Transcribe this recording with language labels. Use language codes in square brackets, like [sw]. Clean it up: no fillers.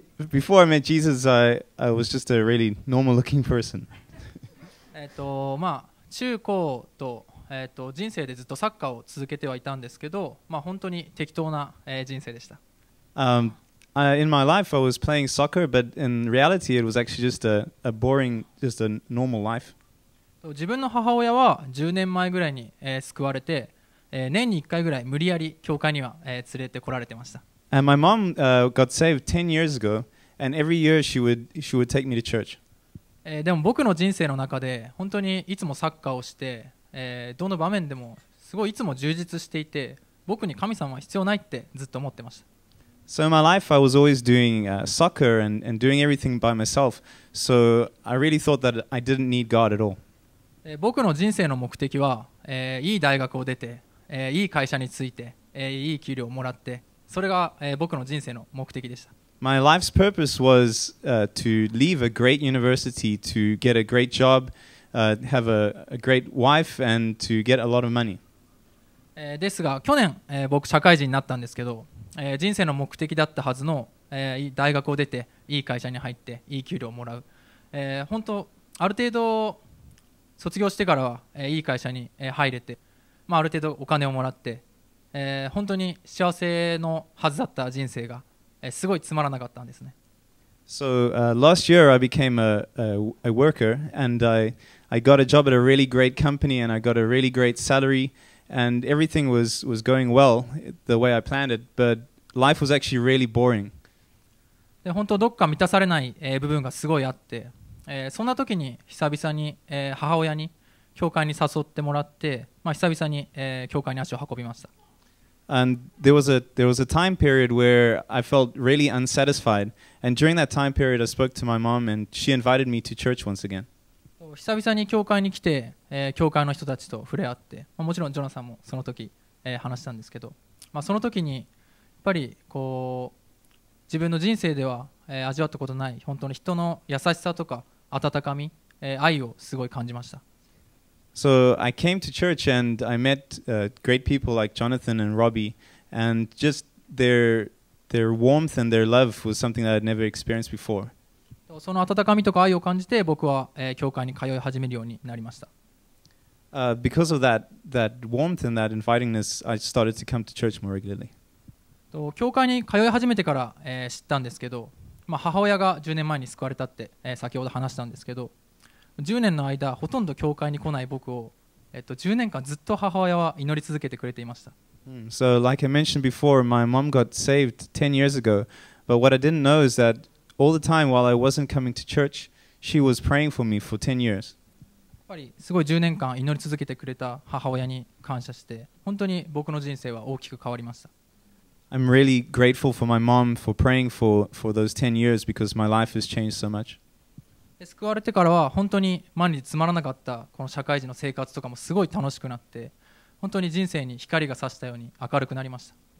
[en] before I met Jesus, I was just a really normal looking person. [ja] まあ中高 と,、人生でずっとサッカーを続けてはいたんですけど、まあ、本当に適当な、人生でした。 [en] In my life, I was playing soccer, but in reality, it was actually just a boring, just a normal life. [ja] 自分の母親は10年前ぐらいに、救われて、年に1回ぐらい無理やり教会には、連れてこられてました。 [en] And my mom, got saved 10 years ago, and every year she would take me to church. [ja] でも僕の人生の中で本当にいつもサッカーをして、どの場面でもすごいいつも充実していて僕に神様は必要ないってずっと思ってました。 [en] So in my life I was always doing soccer and doing everything by myself. So I really thought that I didn't need God at all. [ja] 僕の人生の目的は、いい大学を出て、いい会社について、いい給料をもらってそれが、僕の人生の目的でした。 [en] My life's purpose was to leave a great university to get a great job, have a great wife, and to get a lot of money. [ja] ですが去年、僕社会人になったんですけど、人生の目的だったはずの、大学を出ていい会社に入っていい給料をもらう。本当ある程度卒業してからは、いい会社に入れて、まあ、ある程度お金をもらって、本当に幸せのはずだった人生が。すごいつまらなかったんですね。 [en] So, last year I became a worker and I got a job at a really great company and I got a really great salary and everything was going well the way I planned it, but life was actually really boring. [ja] で、本当どっか満たされない、部分がすごいあって、そんな時に久々に、母親に教会に誘ってもらって、まあ、久々に、教会に足を運びました。 [en] And there was a time period where I felt really unsatisfied. And during that time period, I spoke to my mom, and she invited me to church once again. [ja] 久々に教会に来て、教会の人たちと触れ合って、まあ、もちろんジョナさんもその時、話したんですけど、まあ、その時にやっぱりこう自分の人生では、味わったことない本当に人の優しさとか温かみ、愛をすごい感じました。 [en] So I came to church and I met great people like Jonathan and Robbie, and just their warmth and their love was something that I'd never experienced before. [ja] その温かみとか愛を感じて僕は、教会に通い始めるようになりました。 [en] Because of that warmth and that invitingness, I started to come to church more regularly. [ja] 教会に通い始めてから、知ったんですけど、まあ、母親が10年前に救われたって、先ほど話したんですけど、10年の間ほとんど教会に来ない僕を、10年間ずっと母親は祈り続けてくれていました。 [en] So like I mentioned before, my mom got saved 10 years ago, but what I didn't know is that all the time while I wasn't coming to church, she was praying for me for 10 years. [ja] やっぱりすごい10年間祈り続けてくれた母親に感謝して、本当に僕の人生は大きく変わりました。 [en] I'm really grateful for my mom for praying for those 10 years because my life has changed so much. [ja] 救われてからは本当に毎日つまらなかったこの社会人の生活とかもすごい楽しくなって、本当に人生に光が差したように明るくなりました。